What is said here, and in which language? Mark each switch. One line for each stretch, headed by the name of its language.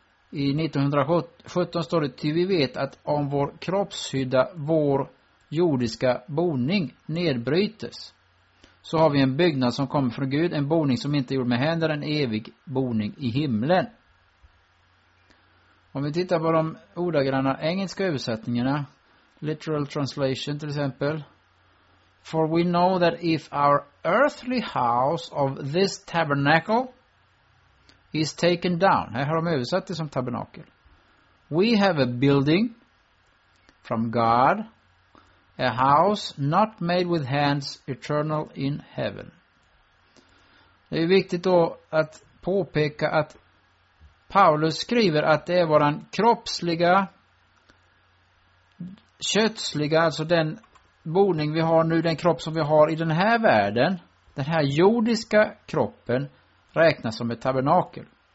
Swedish: I 1917 står det, till vi vet att om vår kroppshydda, vår jordiska boning nedbrytes så har vi en byggnad som kommer från Gud, en boning som inte är gjord med händer, en evig boning i himlen. Om vi tittar på de ordagranna engelska översättningarna,
English: literal translation
Swedish: till exempel.
English: For we know that if our earthly house of this tabernacle is taken down.
Swedish: Här har de översatt det som tabernakel.
English: We have a building from God, a house not made with hands, eternal in heaven.
Swedish: Det är viktigt då att påpeka att Paulus skriver att det är våran kroppsliga, kötsliga, alltså den boning vi har nu, den kropp som vi har i den här världen, den här jordiska kroppen, räknas som ett tabernakel.